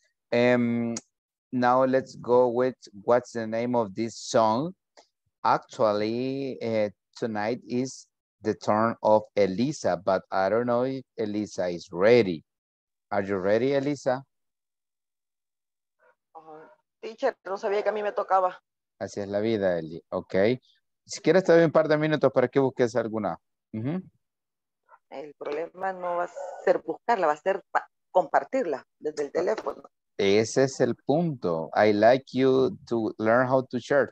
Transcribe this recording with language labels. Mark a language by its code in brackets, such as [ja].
[en] Now let's go with what's the name of this song. Actually, tonight is the turn of Elisa, but I don't know if Elisa is ready. Are you ready, Elisa? [es] Teacher, no sabía que a mí me tocaba. Así es la vida, Eli. Okay. Si quieres, te doy un par de minutos para que busques alguna. Uh-huh. El problema no va a ser buscarla, va a ser compartirla desde el teléfono. Ese es el punto. [en] I like you to learn how to share.